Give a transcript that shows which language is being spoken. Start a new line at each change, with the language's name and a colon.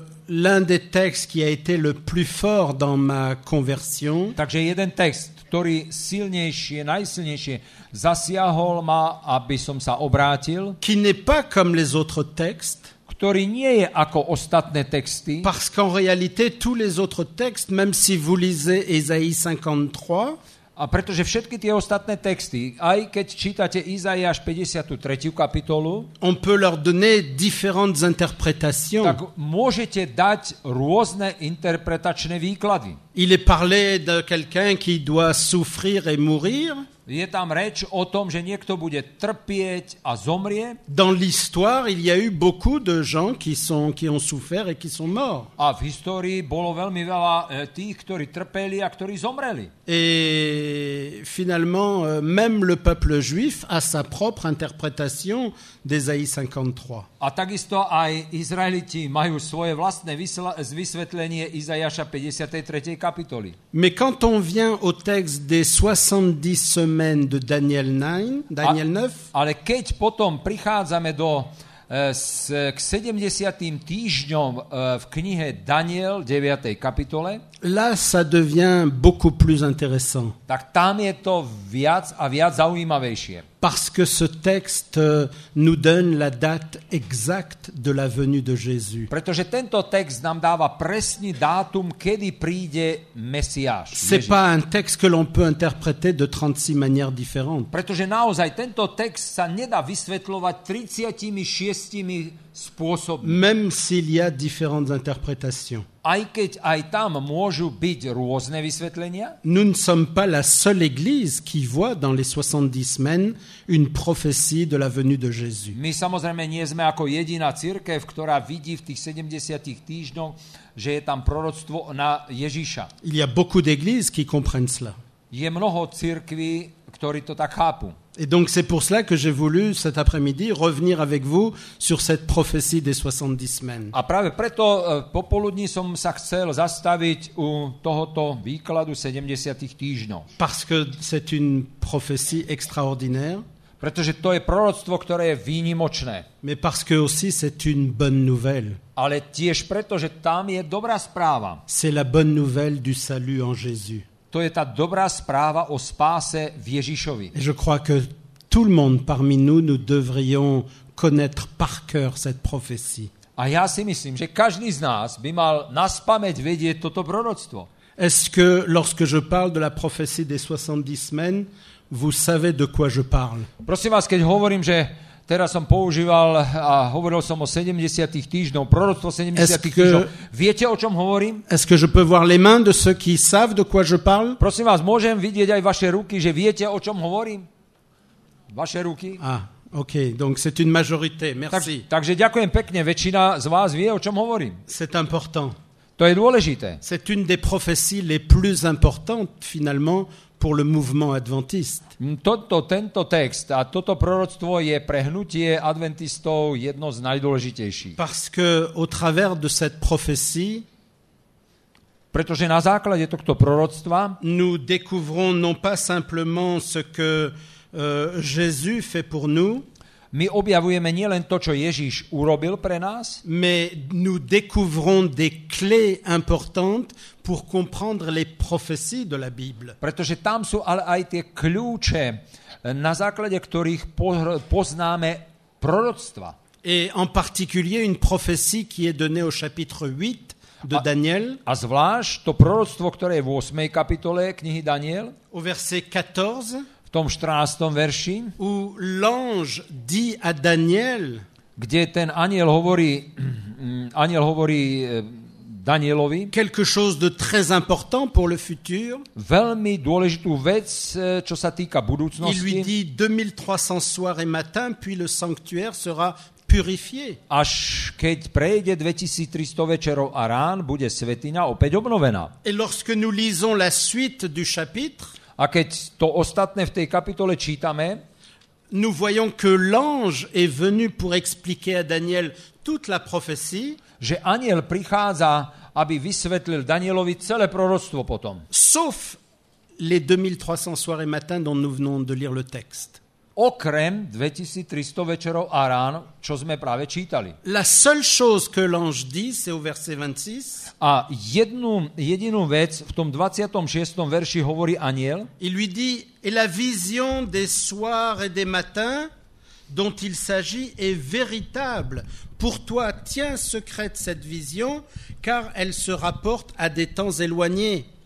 French: L'un des textes qui a été le plus fort dans ma conversion.
Slovak: Takže jeden text, ktorý silnejšie, najsilnejšie zasiahol ma, aby som sa obrátil,
French: qui n'est pas comme les autres textes,
Slovak: ktorý nie je ako ostatné texty,
French: parce qu'en réalité tous les autres textes, même si vous lisez Ésaïe 53,
Slovak: a pretože všetky tie ostatné texty, aj keď čítate Izaiáš 53. kapitolu,
French: on peut leur donner différentes interprétations.
Slovak: Tak môžete dať rôzne interpretačné výklady.
French: Il est parlé de quelqu'un qui doit souffrir et mourir.
Slovak: Je tam reč o tom, že niekto bude trpieť a zomrie.
French: Dans l'histoire, il y a eu beaucoup de gens qui ont souffert et qui sont morts.
Slovak: A v histórii bolo veľmi veľa tých, ktorí trpeli a ktorí zomreli.
French: Et finalement, même le peuple juif a sa propre interprétation d'Ésaïe 53.
Slovak: A takisto aj Izraeliti majú svoje vlastné vysvetlenie Izaiáša 53. kapitoly.
French: Mais quand on vient au texte des 70 semaines de Daniel 9,
Slovak: ale keď potom prichádzame k 70. týždňom v knihe Daniel 9. kapitole,
French: là ça devient beaucoup plus intéressant.
Slovak: Tak tam je to viac a viac zaujímavejšie.
French: Parce que ce texte nous donne la date exacte de la venue de Jésus.
Slovak: Pretože tento text nám dáva presný dátum, kedy príde Mesiáš.
French: C'est pas un texte que l'on peut interpréter de 36 manières différentes.
Slovak: Pretože naozaj tento text sa nedá vysvetľovať 36 spôsobmi.
French: Même s'il y a différentes interprétations.
Slovak: Aj keď aj tam môžu byť rôzne vysvetlenia.
French: Nous ne sommes pas la seule église qui voit dans les 70 semaines une prophétie de la venue de Jésus.
Slovak: My samozrejme nie sme ako jediná cirkev, ktorá vidí v tých 70 týždňoch, že je tam proroctvo na Ježiša.
French: Il y a beaucoup d'églises qui comprennent cela.
Slovak: Je mnoho cirkví, ktorí to tak chápu.
French: Et donc c'est pour cela que j'ai voulu cet après-midi revenir avec vous sur cette prophétie des 70 semaines.
Slovak: A práve preto popoludní som sa chcel zastaviť u tohoto výkladu 70. týždňov.
French: Parce que c'est une prophétie extraordinaire.
Slovak: Pretože to je proroctvo, ktoré je výnimočné.
French: Mais parce que aussi c'est une bonne nouvelle.
Slovak: Ale tiež preto, že tam je dobrá správa.
French: C'est la bonne nouvelle du salut en Jésus.
Slovak: To je tá dobrá správa o spáse v Ježišovi.
French: Je crois que tout le monde parmi nous devrions connaître par cœur cette prophétie.
Slovak: A ja si myslím, že každý z nás by mal na spameť vedieť toto proroctvo.
French: Est-ce que lorsque je parle de la prophétie des 70 semaines, vous savez de quoi je parle?
Slovak: Prosím vás, keď hovorím, že teraz som používal a hovoril som o 70. týždňoch, proroctvo 70. týždňoch. Viete, o čom hovorím?
French: Est-ce que je peux voir les mains de ceux qui savent de quoi je parle?
Slovak: Prosím vás, môžem vidieť aj vaše ruky, že viete, o čom hovorím? Vaše ruky? Ah,
French: OK, donc c'est une majorité. Merci. Tak,
Slovak: takže ďakujem pekne. Väčšina z vás vie, o čom hovorím.
French: C'est important.
Slovak: To je dôležité.
French: C'est une des prophéties les plus importantes finalement pour le mouvement adventiste.
Slovak: Toto, tento text a toto proroctvo je pre hnutie adventistov jedno z najdôležitejších.
French: Parce que au travers de cette prophétie,
Slovak: pretože na základe tohto proroctva,
French: nous découvrons non pas simplement ce que Jésus fait pour nous,
Slovak: my objavujeme nielen to, čo Ježíš urobil pre nás,
French: mais nous découvrons des clés importantes pour comprendre les prophéties de la Bible.
Slovak: Pretože tam sú ale aj tie kľúče, na základe ktorých poznáme proroctva.
French: Et en particulier une prophétie qui est donnée au chapitre 8 de Daniel.
Slovak: A zvlášť to proroctvo, ktoré je v 8. kapitole knihy Daniel.
French: Au verset 14.
Slovak: V tom 14. verši,
French: où l'ange dit à Daniel,
Slovak: kde ten aniel hovorí, Danielovi,
French: quelque chose de très important pour le futur,
Slovak: veľmi dôležitú vec, čo sa týka budúcnosti.
French: Il lui dit 2300 soirs et matins, puis le sanctuaire sera purifié.
Slovak: Až keď prejde 2300 večerov a rán, bude svätyňa opäť obnovená.
French: Et lorsque nous lisons la suite du chapitre,
Slovak: a keď to ostatné v tej kapitole čítame,
French: nous voyons que l'ange est venu pour expliquer à Daniel toute la prophétie,
Slovak: že aniel prichádza, aby vysvetlil Danielovi celé proroctvo potom.
French: Sauf les 2300 soirs et matins dont nous venons de lire le texte.
Slovak: Okrem 2300 večerov a rán, čo sme práve čítali.
French: La seule chose que l'ange dit, c'est au verset 26.
Slovak: A jedinú vec v tom 26. verši hovorí aniel.
French: Il lui dit, et la vision des soirs et des matins dont il s'agit est véritable. Pour toi, tiens secrète cette vision, car elle se rapporte à des temps éloignés.